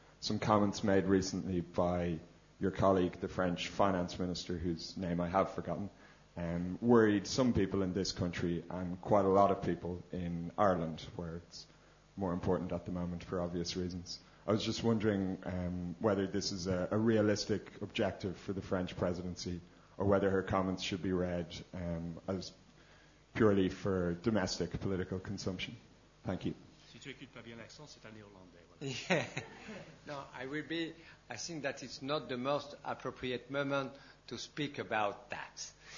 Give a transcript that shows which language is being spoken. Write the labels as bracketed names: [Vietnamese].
[English] Some comments made recently by your colleague, the French finance minister, whose name I have forgotten, worried some people in this country and quite a lot of people in Ireland, where it's more important at the moment for obvious reasons. I was just wondering whether this is a realistic objective for the French presidency, or whether her comments should be read as purely for domestic political consumption. Thank you. [French] Si tu écoutes pas bien l'accent, c'est un néerlandais. [English] No, I will be. I think that it's not the most appropriate moment to speak about tax.